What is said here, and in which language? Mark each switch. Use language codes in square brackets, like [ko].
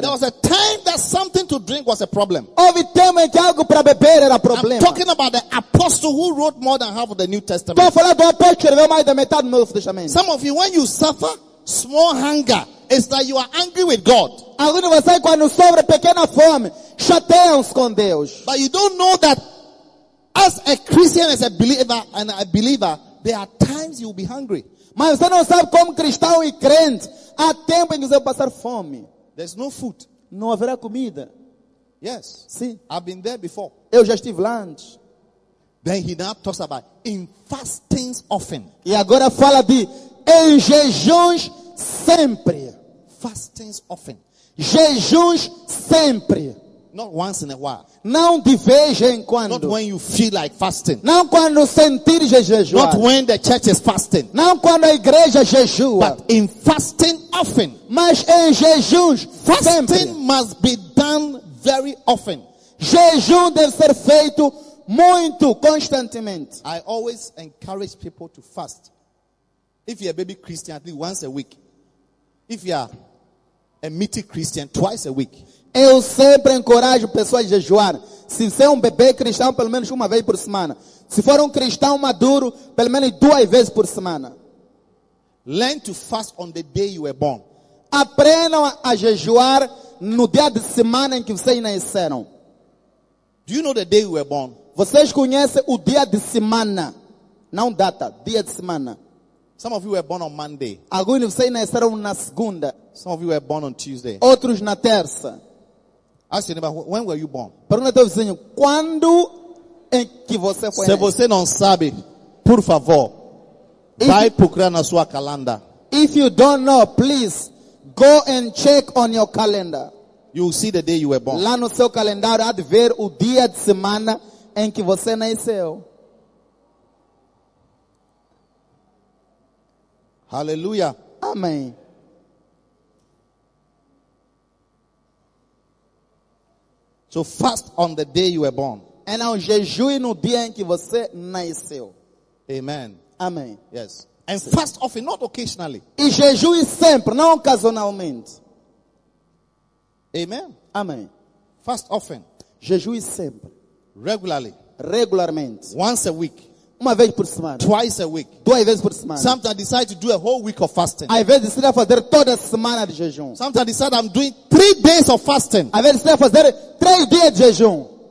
[en] There was a time that something to drink was a problem. [pt] Houve tempo que algo para beber era problema. [en] I'm talking about the apostle who wrote more than half of the New Testament. [pt] Estou falando do apóstolo que escreveu mais da metade do Novo Testamento. [en] Some of you, when you suffer small hunger, it's that you are angry with God. [pt] Alguns de vocês quando sofrem pequena fome, chateiam-se com Deus. [en] But you don't know that as a Christian, as a believer, and a believer, there are times you will be hungry. [pt] Mas você não sabe como cristão e crente há tempo em que você vai passar fome. [en] There's no food. [pt] Não haverá comida. [en] Yes. [pt] Sim. [en] I've been there before. [pt] Eu já estive lá antes. [en] Then he now talks about in fastings often. [pt] E agora fala de em jejuns sempre. [en] Fastings often. [pt] Jejuns sempre. [en] Not once in a while. [pt] Não de vez em quando. [en] Not when you feel like fasting. [pt] Não quando sentir jejuar. [en] Not when the church is fasting. [pt] Não quando a igreja jejua. [en] But in fasting often. [pt] Mas em jejum [en] fasting [pt] sempre. [en] Must be done very often. [pt] Jejum deve ser feito muito, constantemente. [en] I always encourage people to fast. If you're a baby Christian, at least once a week. If you're a meaty Christian, twice a week. [pt] Eu sempre encorajo pessoas a jejuar. Se você é um bebê cristão, pelo menos uma vez por semana. Se for um cristão maduro, pelo menos duas vezes por semana. [en] Learn to fast on the day you were born. [pt] Aprendam a jejuar no dia de semana em que vocês nasceram. [en] Do you know the day you were born? [pt] Vocês conhecem o dia de semana? Não data, dia de semana. [en] Some of you were born on Monday. [pt] Alguns de vocês nasceram na segunda. [en] Some of you were born on Tuesday. [pt] Outros na terça. [en] Ask your neighbor, when were you born? [pt] Pergunta ao vizinho, quando em que você foi? Se você não sabe, por favor, vai procurar na sua calendar. [en] If you don't know, please go and check on your calendar. You will see the day you were born. [pt] Lá no seu calendário há de ver o dia de semana em que você nasceu. [en] Hallelujah. [pt] Amém. [en] So fast on the day you were born. [pt] Então jejue no dia em que você nasceu. [en] Amen. [pt] Amém. [en] Yes. And fast often, not occasionally. [pt] E jejue sempre, não ocasionalmente. [en] Amen. [pt] Amém. [en] Fast often. [pt] Jejue sempre. [en] Regularly. [pt] Regularmente. [en] Once a week. [pt] Uma vez por semana. [en] Twice a week. [pt] Duas vezes por semana. [en] Sometimes I decide to do a whole week of fasting. [pt] Às vezes decido fazer toda a semana de jejum. [en] Sometimes I decide I'm doing 3 days of fasting. [pt] Às vezes decido fazer 3 dias de jejum.